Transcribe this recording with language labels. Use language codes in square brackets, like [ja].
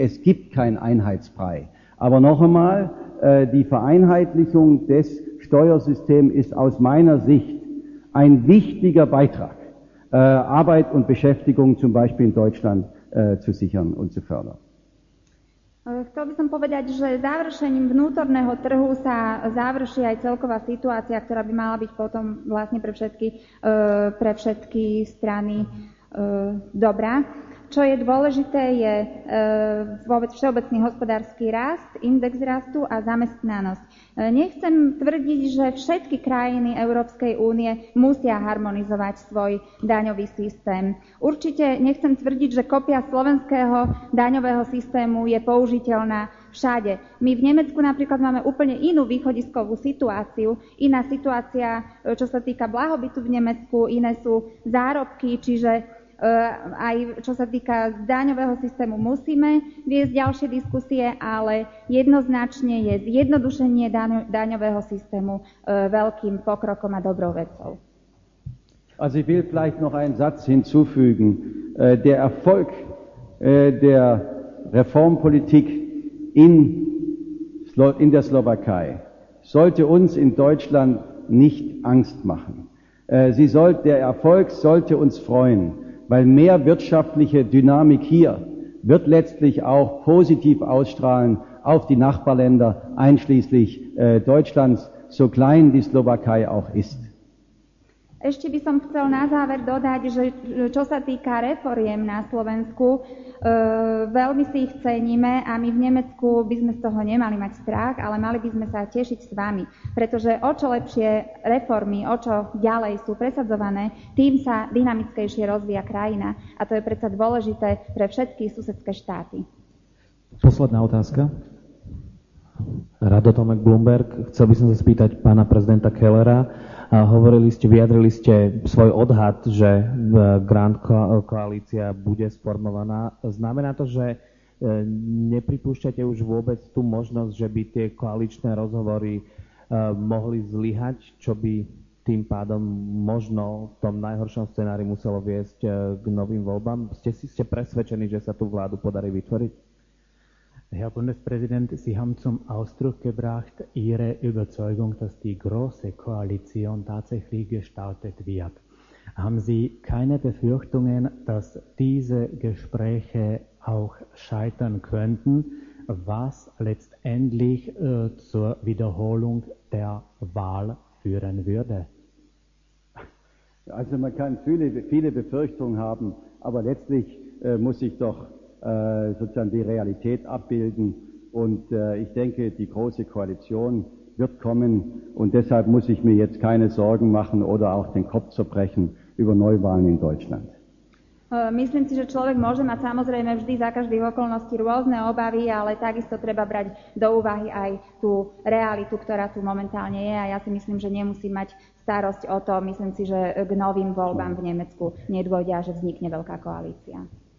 [de] Es gibt kein Einheitsbrei. Aber noch einmal, die Vereinheitlichung des Steuersystems ist aus meiner Sicht ein wichtiger Beitrag, Arbeit und Beschäftigung zum Beispiel in Deutschland zu sichern und zu fördern. [sk] Chcel by som povedať, že završením vnútorného trhu sa završí aj celková situácia, ktorá by mala byť potom vlastne pre všetky strany dobrá. Čo je dôležité, je vôbec všeobecný hospodársky rast, index rastu a zamestnanosť. Nechcem tvrdiť, že všetky krajiny Európskej únie musia harmonizovať svoj daňový systém. Určite nechcem tvrdiť, že kopia slovenského daňového systému je použiteľná všade. My v Nemecku napríklad máme úplne inú východiskovú situáciu, iná situácia, čo sa týka blahobytu v Nemecku, iné sú zárobky, čiže aj čo sa týka daňového systému musíme viesť ďalšie diskusie, ale jednoznačne je zjednodušenie daňového systému veľkým pokrokom a dobrou vecou. [de] Also ich will vielleicht noch einen Satz hinzufügen. Der Erfolg der Reformpolitik in der Slowakei sollte uns in Deutschland nicht Angst machen. Der Erfolg sollte uns freuen, weil mehr wirtschaftliche Dynamik hier wird letztlich auch positiv ausstrahlen auf die Nachbarländer, einschließlich Deutschlands, so klein die Slowakei auch ist. [sk] Ešte by som chcel na záver dodať, že čo sa týka reforiem na Slovensku, veľmi si ich ceníme a my v Nemecku by sme z toho nemali mať strach, ale mali by sme sa tešiť s vami. Pretože o čo lepšie reformy, o čo ďalej sú presadzované, tým sa dynamickejšie rozvíja krajina. A to je predsa dôležité pre všetky susedské štáty. Posledná otázka. Rado Tomek, Bloomberg. Chcel by som sa spýtať pána prezidenta Kellera. A hovorili ste, vyjadrili ste svoj odhad, že Grand koalícia bude sformovaná. Znamená to, že nepripúšťate už vôbec tú možnosť, že by tie koaličné rozhovory mohli zlyhať, čo by tým pádom možno v tom najhoršom scenári muselo viesť k novým voľbám? Ste presvedčení, že sa tú vládu podarí vytvoriť? [de] Herr Bundespräsident, Sie haben zum Ausdruck gebracht Ihre Überzeugung, dass die große Koalition tatsächlich gestartet wird. Haben Sie keine Befürchtungen, dass diese Gespräche auch scheitern könnten, was letztendlich zur Wiederholung der Wahl führen würde? Also man kann viele Befürchtungen haben, aber letztlich muss ich doch sozusagen die Realität abbilden. Und ich denke, die große Koalition wird kommen. Und deshalb muss ich mir jetzt keine Sorgen machen oder auch den Kopf zerbrechen über Neuwahlen in Deutschland. [sk] Myslím si, že človek môže mať samozrejme vždy za každých okolností rôzne obavy, ale takisto treba brať do úvahy aj tú realitu, ktorá tu momentálne je. A ja si myslím, že nemusí mať starosť o to. Myslím si, že k novým voľbám v Nemecku nedôjde a že vznikne veľká koalícia.